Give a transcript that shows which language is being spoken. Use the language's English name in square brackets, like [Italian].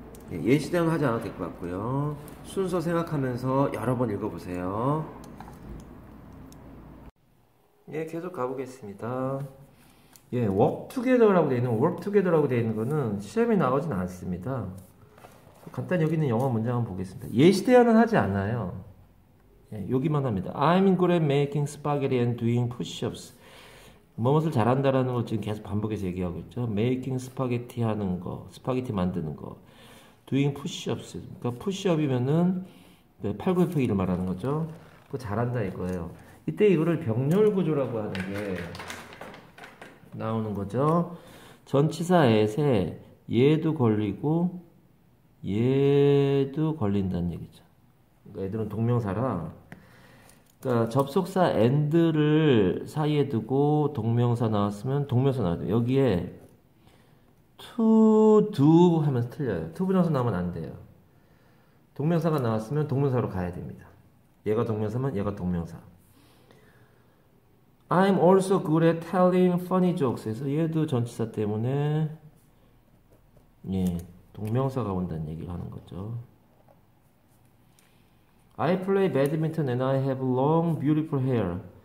[Korean] 예시 대응 하지 않아도 될것 같고요. 순서 생각하면서 여러 번 읽어보세요. 예, 계속 가보겠습니다. 예, work together라고 되어 있는, work together라고 되어 있는 거는 시험에 나오진 않습니다. 간단히 여기 있는 영어 문장 한번 보겠습니다. 예시 대응은 하지 않아요. 예, 여기만 합니다. [English] I'm good at making spaghetti and doing push-ups. [Korean] 무엇을 잘한다라는 걸 지금 계속 반복해서 얘기하고 있죠. Making 스파게티 하는 거, 스파게티 만드는 거. Doing push-ups. 그러니까 push-up이면은 팔굽혀펴기를 말하는 거죠. 그거 잘한다 이거예요. 이때 이거를 병렬 구조라고 하는 게 나오는 거죠. 전치사 at에 얘도 걸리고 얘도 걸린다는 얘기죠. 그러니까 애들은 동명사라. 그러니까 접속사 and를 사이에 두고 동명사 나왔으면 동명사 나와야 돼요. 여기에 to do 하면 틀려요. to 분용사 나오면 안 돼요. 동명사가 나왔으면 동명사로 가야 됩니다. 얘가 동명사면 얘가 동명사. [English] I'm also good at telling funny jokes. [Korean] 해서 얘도 전치사 때문에 예, 동명사가 온다는 얘기를 하는 거죠. [English] I play badminton and I have long, beautiful hair.